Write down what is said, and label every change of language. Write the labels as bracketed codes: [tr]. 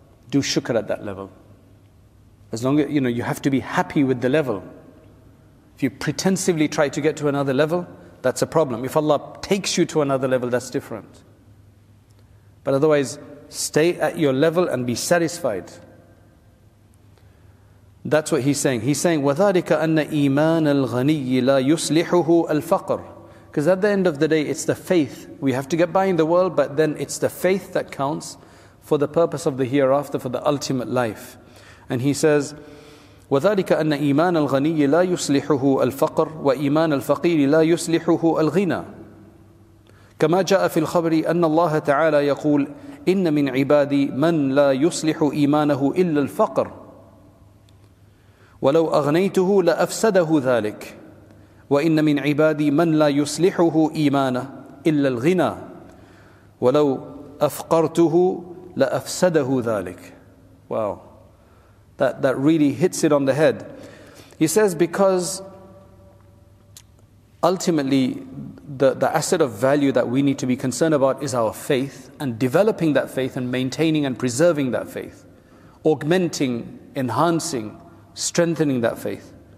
[en] Do shukr at that level. As long as, you know, you have to be happy with the level. If you pretensively try to get to another level, that's a problem. If Allah takes you to another level, that's different. But otherwise, stay at your level and be satisfied. That's what he's saying. He's saying, [ar] وَذَٰلِكَ أَنَّ إِيمَانَ الْغَنِيِّ لَا يُصْلِحُهُ الْفَقْرِ. [en] Because at the end of the day, it's the faith. We have to get by in the world, but then it's the faith that counts for the purpose of the hereafter, for the ultimate life. And he says, [ar] وَذَٰلِكَ أَنَّ إِيمَانَ الْغَنِيِّ لَا يُصْلِحُهُ الْفَقْرِ وَإِيمَانَ الْفَقِيرِ لَا يُصْلِحُهُ الْغِنَى. كما جاء في الخبر أن الله تعالى يقول إن من عبادي من لا يصلح إيمانه إلا الفقر ولو أغنيته لأفسده ذلك وإن من عبادي من لا يصلحه إيمانه إلا الغنى ولو أفقرته لأفسده ذلك. [en] Wow, that really hits it on the head. He says, because ultimately, the asset of value that we need to be concerned about is our faith, and developing that faith and maintaining and preserving that faith, augmenting, enhancing, strengthening that faith.